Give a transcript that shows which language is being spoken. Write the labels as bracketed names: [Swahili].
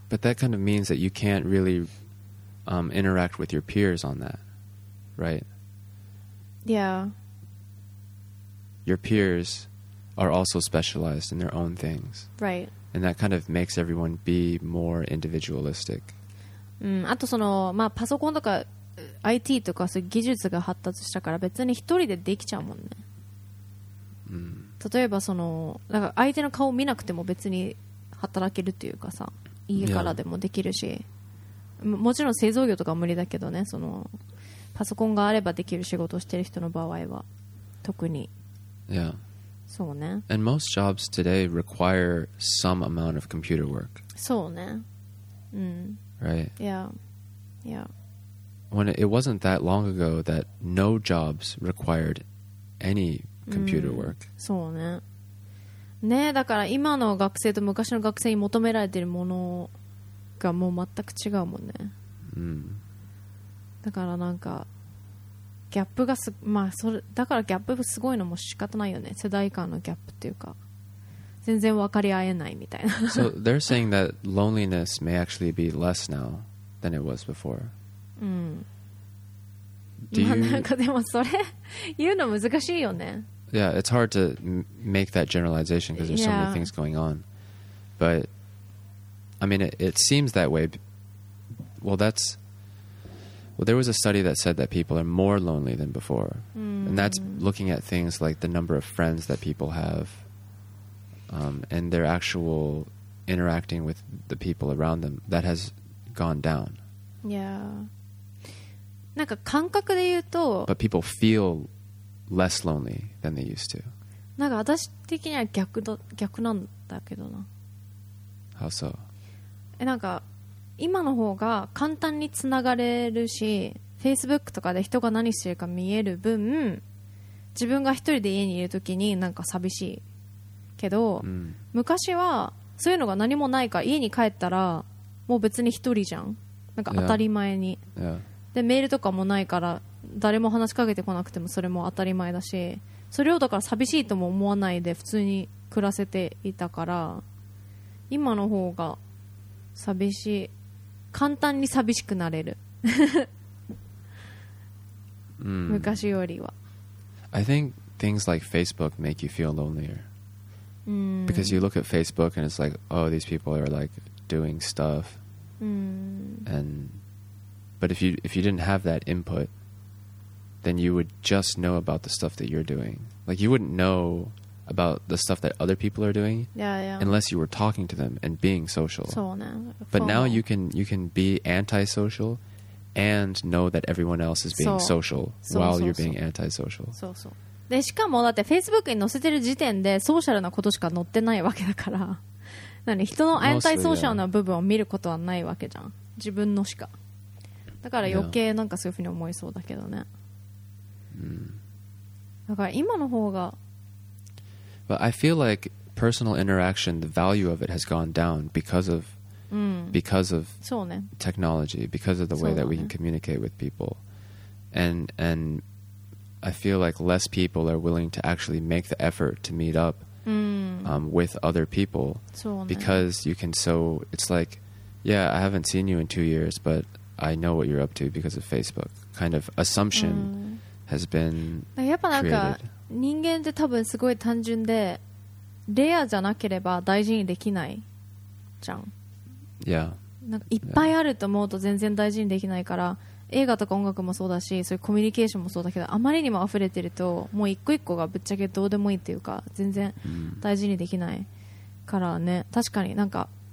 [English] Yeah, but that kind of means that you can't really interact with your peers on that, right? Yeah. Your peers are also specialized in their own things. Right. And that kind of makes everyone be more individualistic. [Japanese] うん、あとその、まあ、パソコンとか IT とかそういう技術が発達したから別に一人でできちゃうもんね。例えばそのなんか相手の顔を見なくても別に働けるというかさ家からでもできるし、 [English] yeah. [Japanese] もちろん製造業とか無理だけどねそのパソコンがあればできる仕事をしてる人の場合は特に、 [English] yeah. [Japanese] そうね [English] and most jobs today require some amount of computer work [Japanese] そうねうん [English] right yeah yeah when it wasn't that long ago that no jobs required anyComputer work. [Japanese] そうね。ねえ、だから今の学生と昔の学生に求められているものがもう全く違うもんね。うん。だからなんかギャップがす、まあそれだからギャップがすごいのも仕方ないよね。世代間のギャップっていうか、全然分かり合えないみたいな。 [English] So they're saying that loneliness may actually be less now than it was before. [Japanese] うん。 [English] Yeah, it's hard to make that generalization because there's、 so many things going on. But, I mean, it seems that way. Well, that's... Well, there was a study that said that people are more lonely than before.、 Mm. And that's looking at things like the number of friends that people have、and their actual interacting with the people around them. That has gone down. Yeah. [Japanese] なんか感覚で言うと [English] But people feel less lonely than they used to. [Japanese] なんか私的には逆なんだけどな [English] How so? [Japanese] なんか今の方が簡単につながれるし Facebook とかで人が何してるか見える分自分が一人で家にいるときになんか寂しいけど、うん、昔はそういうのが何もないから家に帰ったらもう別に一人じゃんなんか当たり前に [English] yeah. Yeah. [Japanese] でメールとかもないから誰も話しかけてこなくてもそれも当たり前だしそれをだから寂しいとも思わないで普通に暮らせていたから今の方が寂しい簡単に寂しくなれる昔よりは、 [English] mm. I think things like Facebook make you feel lonelier、 mm. because you look at Facebook and it's like oh these people are like doing stuff、 mm. andBut if you didn't have that input, then you would just know about the stuff that you're doing. Like, you wouldn't know about the stuff that other people are doing yeah, yeah. unless you were talking to them and being social. So, ね、 But now you can be antisocial and know that everyone else is being social while you're being antisocial. [Japanese] そうそう。で、しかもだって Facebook に載せてる時点でソーシャルなことしか載ってないわけだから。なんで、人のアンタイソーシャルな部分を見ることはないわけじゃん。自分のしか。だから余計なんかそういうふうに思いそうだけどね。だから今の方が。 [English] But I feel like personal interaction, the value of it has gone down because of technology, because of the way that we can communicate with people. And I feel like less people are willing to actually make the effort to meet up with other people because you can so... It's like, yeah, I haven't seen you in 2 years, butI know what you're up to because of Facebook. Kind of assumption has been created. [Japanese] やっぱなんか人間って多分すごい単純でレアじゃなければ大事にできないじゃん。 [English] Yeah. [Japanese] なんかいっぱいあると思うと全然大事にできないから、 [English] yeah. [Japanese] 映画とか音楽もそうだし、そういうコミュニケーションもそうだけど、あまりにも溢れてるともう一個一個がぶっちゃけどうでもいいっていうか、全然大事にできないからね。確かになんか